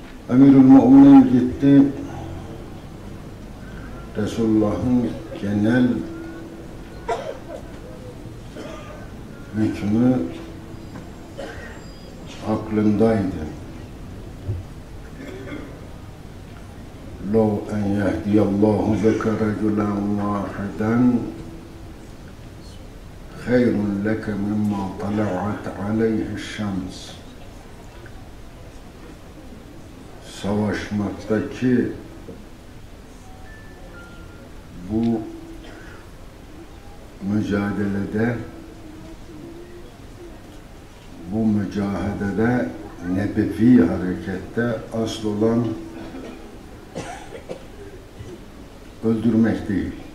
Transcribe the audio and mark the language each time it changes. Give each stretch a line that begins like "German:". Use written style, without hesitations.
Turkish: Emirül Mü'minin gitti. Resulullah'ın genel hükmü aklındaydı.
Arabic: لو أن يهدي الله بك رجلا واحدا خير لك مما طلعت عليه الشمس.
Turkish: Savaşmaktaki bu mücadelede, bu mücadelede nebevi harekette asıl olan öldürmek değil.